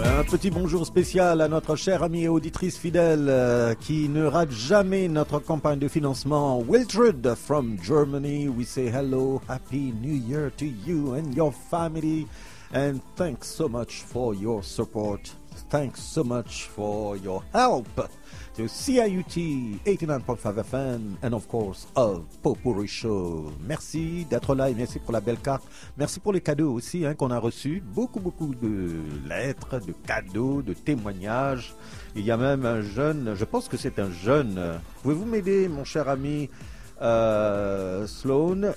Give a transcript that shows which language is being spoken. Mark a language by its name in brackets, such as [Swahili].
[French] Petit bonjour spécial à notre chère amie et auditrice fidèle qui ne rate jamais notre campagne de financement. [English] Wiltrud from Germany, we say hello, happy new year to you and your family. And thanks so much for your support. Thanks so much for your help to CIUT 89.5 FM and of course of Popouri Show. [French] Merci d'être là et merci pour la belle carte. Merci pour les cadeaux aussi hein, qu'on a reçus. Beaucoup, beaucoup de lettres, de cadeaux, de témoignages. Il y a même un jeune, je pense que c'est un jeune. Pouvez-vous m'aider, mon cher ami Sloan?